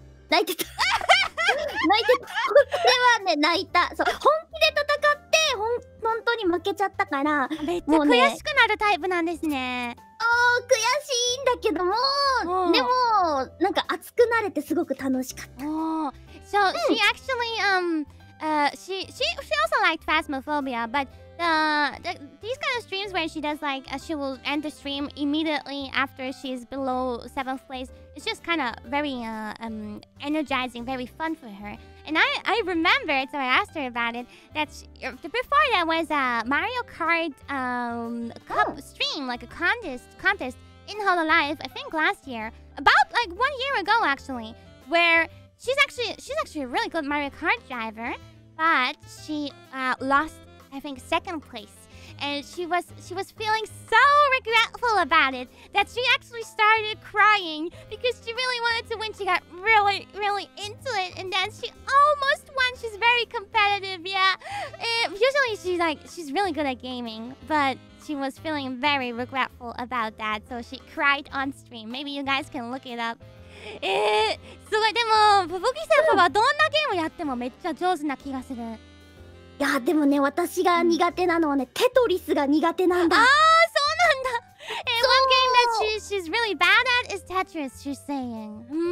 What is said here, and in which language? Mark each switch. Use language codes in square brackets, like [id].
[ja] 泣いてた泣いてた、これはね、泣いた。そう、本気で戦って、本当に負けちゃったから。めっちゃ悔しくなるタイプなんですね。おー、悔しいんだけども、でも、なんか熱くなれてすごく楽しかった。 [en] So, she actually, she also liked Phasmophobia, but these kind of streams where she does like, she will end the stream immediately after she's below 7th place. It's just kind of very energizing, very fun for her. And I remember, so I asked her about it, that she, before there was a Mario Kart cup stream, like a contest in Hololive, I think last year, about like 1 year ago actually, where she's actually a really good Mario Kart driver, but she lost, I think, second place. And she was feeling so regretful about it that she actually started crying because she really wanted to win. She got really, really into it, and then she almost won. She's very competitive, yeah. Usually she's really good at gaming, but she was feeling very regretful about that, so she cried on stream. Maybe you guys can look it up. [ja] すごい。でもプブキ先輩はどんなゲームやってもめっちゃ上手な気がする。いやでもね、私が苦手なのはね、テトリスが苦手なんだ。あー、そうなんだ。 [en] One game that she's really bad at is Tetris, she's saying.